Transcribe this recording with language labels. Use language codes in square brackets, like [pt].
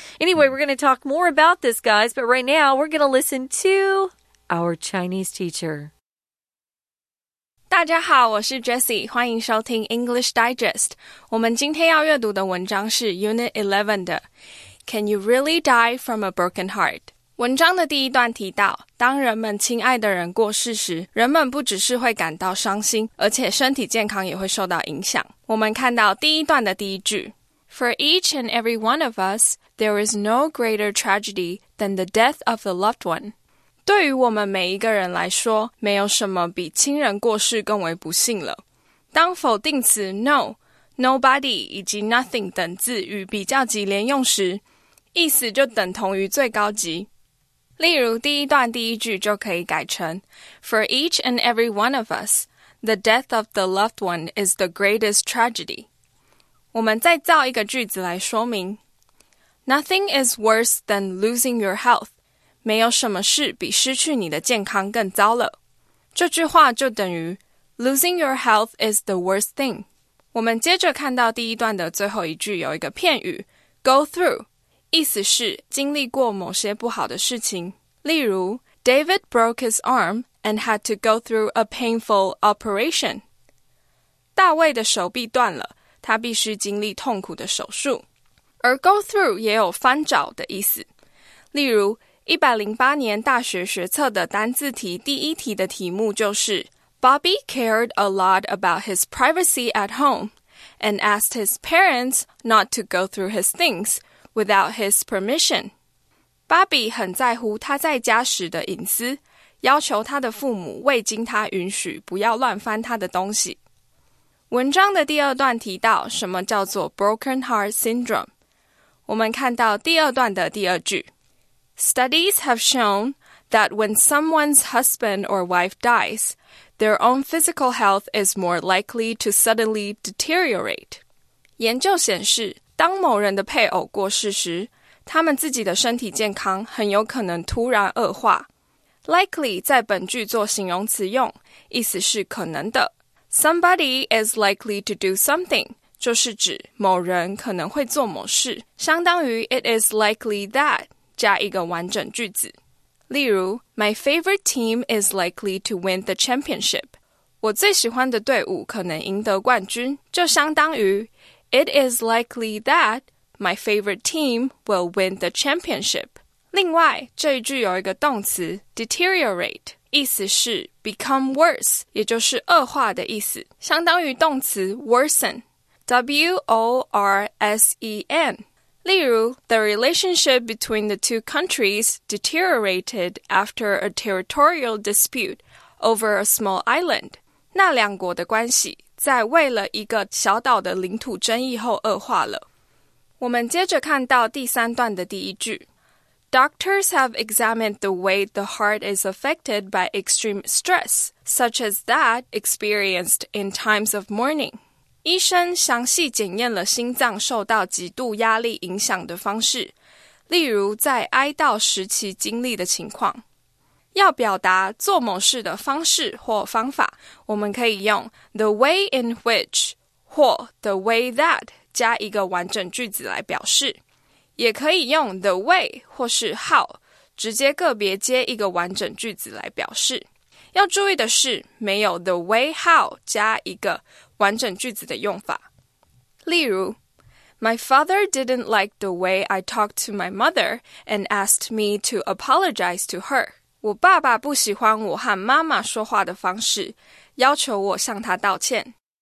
[en] Anyway, we're going to talk more about this, guys. But right now, we're going to listen to our Chinese teacher. [zh] 大家好，我是 Jessie， 欢迎收听 English Digest。我们今天要阅读的文章是 Unit 11的。 [en] Can you really die from a broken heart? [zh] 文章的第一段提到，当人们亲爱的人过世时，人们不只是会感到伤心，而且身体健康也会受到影响。我们看到第一段的第一句， [en] For each and every one of us, there is no greater tragedy than the death of the loved one. [zh] 对于我们每一个人来说，没有什么比亲人过世更为不幸了。当否定词 no,Nobody 以及 nothing 等字与比较级连用时，意思就等同于最高级。例如第一段第一句就可以改成 [en] For each and every one of us, the death of the loved one is the greatest tragedy. [zh] 我们再造一个句子来说明。 [en] Nothing is worse than losing your health. [zh] 没有什么事比失去你的健康更糟了。这句话就等于 [en] Losing your health is the worst thing. [zh] 我们接着看到第一段的最后一句有一个片语 go through， 意思是经历过某些不好的事情。 [en] 例如 David broke his arm and had to go through a painful operation。 [zh] 大卫的手臂断了，他必须经历痛苦的手术。而 go through 也有翻找的意思。例如108年大学学测的单字题第一题的题目就是 [en] Bobby cared a lot about his privacy at home and asked his parents not to go through his things without his permission. [zh] Bobby 很在乎他在家时的隐私，要求他的父母未经他允许不要乱翻他的东西。文章的第二段提到什么叫做 broken heart syndrome。我们看到第二段的第二句。 [en] Studies have shown that when someone's husband or wife dies,Their own physical health is more likely to suddenly deteriorate. [zh] 研究显示，当某人的配偶过世时，他们自己的身体健康很有可能突然恶化。 Likely 在本句做形容词用，意思是可能的。 [en] Somebody is likely to do something [zh] 就是指某人可能会做某事，相当于 [en] it is likely that [zh] 加一个完整句子。 [en] 例如 My favorite team is likely to win the championship. [zh] 我最喜欢的队伍可能赢得冠军，就相当于 [en] It is likely that my favorite team will win the championship. [zh] 另外，这一句有一个动词 deteriorate， 意思是 become worse， 也就是恶化的意思，相当于动词 worsen， W-O-R-S-E-N。 [en] 例如 ,the relationship between the two countries deteriorated after a territorial dispute over a small island. [zh] 那两国的关系在为了一个小岛的领土争议后恶化了。我们接着看到第三段的第一句。 [en] Doctors have examined the way the heart is affected by extreme stress, such as that experienced in times of mourning. [zh] 医生详细检验了心脏受到极度压力影响的方式，例如在哀悼时期经历的情况。要表达做某事的方式或方法，我们可以用 [en] the way in which [zh] 或 [en] the way that [zh] 加一个完整句子来表示。也可以用 the way 或是 how 直接个别接一个完整句子来表示。要注意的是，没有 [en] the way how [zh] 加一个完整句子的用法。 [en] 例如 My father didn't like the way I talked to my mother and asked me to apologize to her. [zh] 我爸爸不喜欢我和妈妈说话的方式，要求我向他道歉。